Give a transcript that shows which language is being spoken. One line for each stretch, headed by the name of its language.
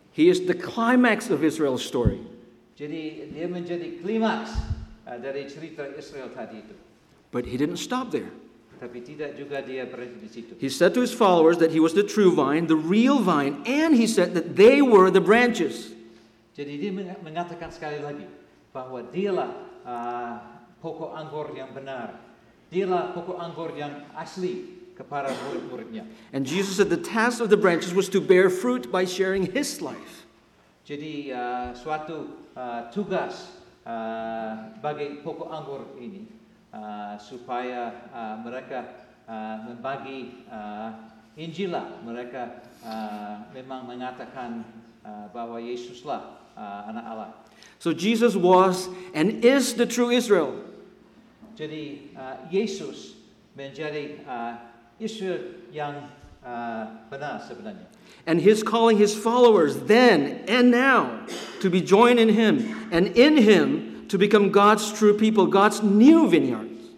English: He is the climax of Israel's story.
Indonesian: Jadi dia menjadi klimaks dari cerita Israel tadi itu.
English: But he didn't stop there.
Indonesian: Tapi tidak juga dia berhenti di situ.
English: He said to his followers that he was the true vine, the real vine, and he said that they were the branches.
Indonesian: Jadi dia mengatakan sekali lagi bahwa dialah pokok anggur yang benar. Dialah pokok anggur yang asli kepada murid-muridnya.
English: And Jesus said the task of the branches was to bear fruit by sharing his life.
Indonesian: Jadi suatu tugas bagi pokok anggur ini supaya mereka membagi Injil lah. Mereka memang mengatakan bahwa Yesuslah anak Allah.
English: So Jesus was and is the true Israel.
Indonesian: Jadi Yesus menjadi Israel yang benar sebenarnya.
English: And his calling his followers then and now to be joined in him and in him to become God's true people, God's new vineyard.